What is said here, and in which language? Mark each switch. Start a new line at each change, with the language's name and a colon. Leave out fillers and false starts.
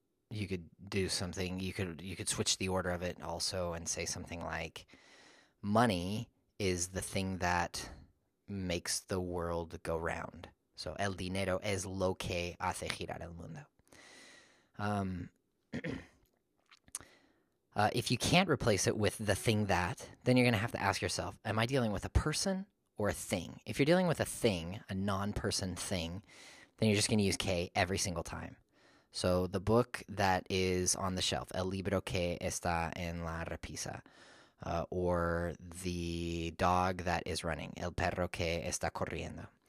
English: You could do something, you could switch the order of it also and say something like, money is the thing that makes the world go round.
Spanish: So, el dinero es lo que hace girar el mundo.
English: if you can't replace it with the thing that, then you're going to have to ask yourself, am I dealing with a person or a thing? If you're dealing with a thing, a non-person thing, then you're just going to use que every single time. So, the book that is on the shelf,
Spanish: el libro que está en la repisa,
English: or the dog that is running,
Spanish: el perro que está corriendo.